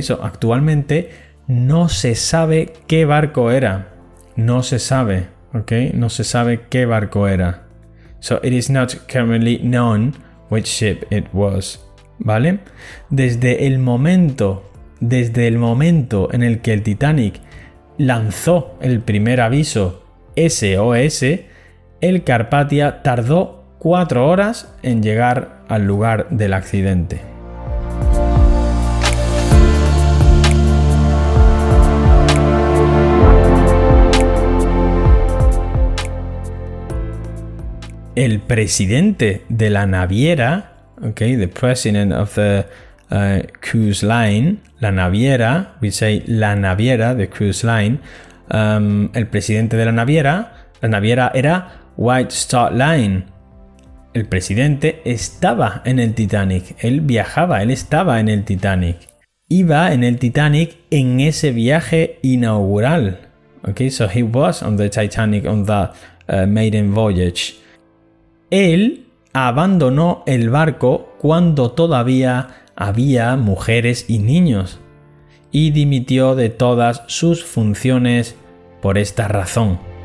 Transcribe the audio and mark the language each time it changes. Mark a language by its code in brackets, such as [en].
[es] So actualmente no se sabe qué barco era. No se sabe, okay? No se sabe qué barco era. [en] So it is not currently known which ship it was, [es] ¿vale? Desde el momento en el que el Titanic lanzó el primer aviso SOS, el Carpathia tardó 4 horas en llegar al lugar del accidente. El presidente de la naviera, [en] okay, the president of the cruise line, [es] la naviera, [en] we say [es] la naviera, [en] the cruise line, [es] el presidente de la naviera era White Star Line. El presidente estaba en el Titanic, él viajaba, él estaba en el Titanic. Iba en el Titanic en ese viaje inaugural. [en] Okay, so he was on the Titanic on that maiden voyage. [es] Él abandonó el barco cuando todavía había mujeres y niños y dimitió de todas sus funciones por esta razón.